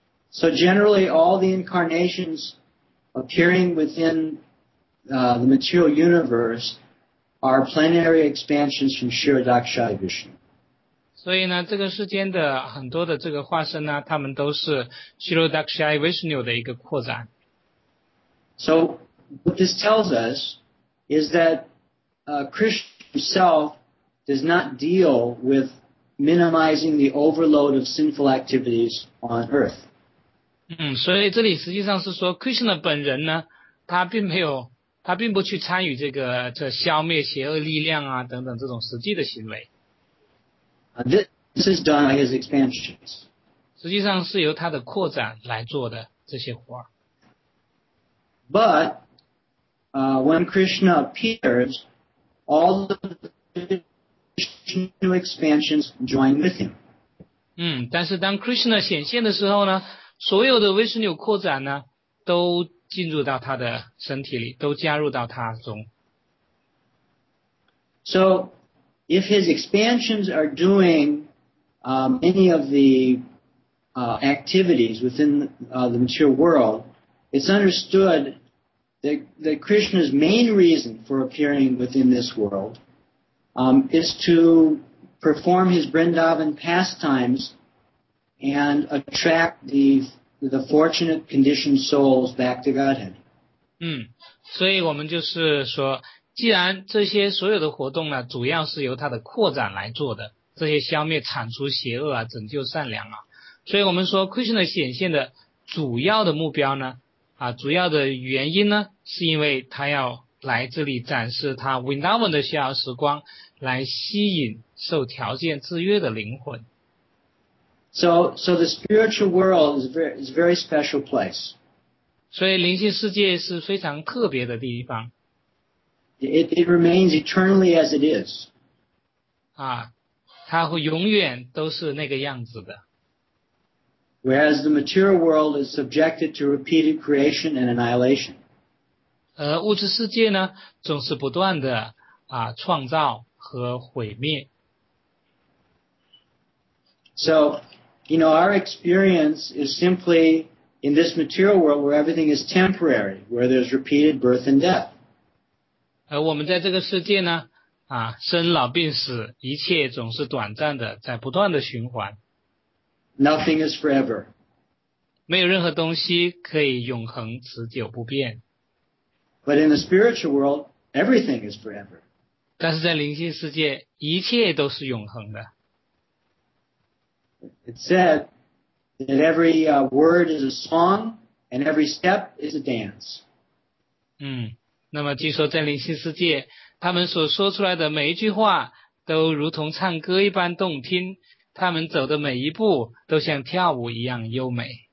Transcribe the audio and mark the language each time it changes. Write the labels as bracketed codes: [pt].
[en] So generally, all the incarnations appearing within the material universe are plenary expansions from Shiradakshaya Vishnu. [zh] 所以呢，这个世间的很多的这个化身呢，他们都是 Shiradakshaya Vishnu 的一个扩展。 [en] So what this tells us is that Krishna himself does not deal with minimizing the overload of sinful activities on earth. [zh] 所以这里实际上是说 Krishna 本人呢，他并不去参与这消灭邪恶力量啊等等这种实际的行为。 [en] This is done by his expansions. [zh] 实际上是由他的扩展来做的这些活。 [en] But, when Krishna appears, all the Vishnu expansions join with him. [zh] 但是当 Krishna 显现的时候呢，所有的 Vishnu 扩展呢，都进入到他的身体里，都加入到他中。 [en] So, if his expansions are doing many of the activities within the material world, it's understood that Krishna's main reason for appearing within this world is to perform his Vrindavan pastimes and attract the fortunate conditioned souls back to Godhead. [zh] 所以我们就是说，既然这些所有的活动呢，主要是由它的扩展来做的，这些消灭、铲除邪恶啊，拯救善良啊，所以我们说 Krishna 显现的主要的目标呢，主要的原因呢，是因为他要来这里展示他 Vrindavan 的逍遥时光，来吸引受条件制约的灵魂。 [en] So the spiritual world is a very special place. [zh] 所以灵性世界是非常特别的地方。 [en] It remains eternally as it is. [zh] 它会永远都是那个样子的。 [en] Whereas the material world is subjected to repeated creation and annihilation. [zh] 物质世界呢，总是不断的创造和毁灭。 [en] So, you know, our experience is simply in this material world where everything is temporary, where there's repeated birth and death. [zh] 我们在这个世界呢，生老病死，一切总是短暂的，在不断的循环。 [en] Nothing is forever. [zh] 没有任何东西可以永恒持久不变。 [en] But in the spiritual world, everything is forever. [zh] 但是在灵性世界，一切都是永恒的。 [en] It said that every word is a song and every step is a dance. [zh] 那么据说在灵性世界，他们所说出来的每一句话都如同唱歌一般动听。他们走的每一步都像跳舞一样优美。